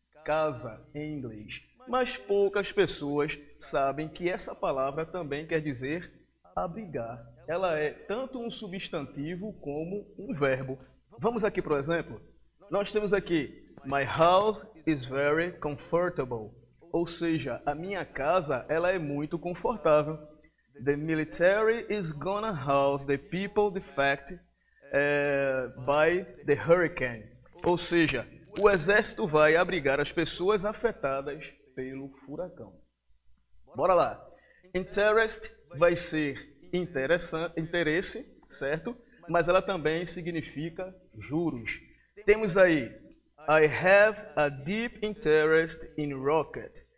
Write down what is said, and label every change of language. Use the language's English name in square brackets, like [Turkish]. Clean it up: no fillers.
[Portuguese] Casa, em inglês. Mas poucas pessoas sabem que essa palavra também quer dizer abrigar. Ela é tanto um substantivo como um verbo. Vamos aqui para o exemplo? Nós temos aqui, [English] my house is very comfortable. [Portuguese] Ou seja, a minha casa, ela é muito confortável. [English] The military is gonna house the people defected by the hurricane. [Portuguese] Ou seja, o exército vai abrigar as pessoas afetadas pelo furacão. Bora lá. Interest vai ser interesse, certo? Mas ela também significa juros. Temos aí, [English] I have a deep interest in rocket.